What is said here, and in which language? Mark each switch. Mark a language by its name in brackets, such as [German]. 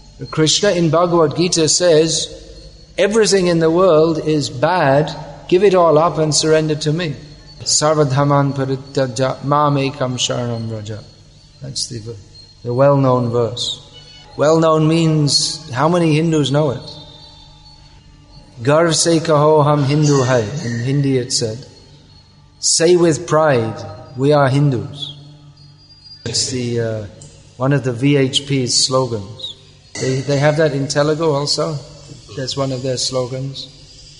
[English] Krishna in Bhagavad Gita says, everything in the world is bad. Give it all up and surrender to me. [Sanskrit] Sarvadhaman parityaja mamekam sharanam raja. [English] That's the well-known verse. Well-known means, how many Hindus know it? [Hindi] गर्व से कहो हम हिंदू है। [English] In Hindi it said, say with pride, we are Hindus. It's one of the VHP's slogans. They have that in Telugu also? That's one of their slogans?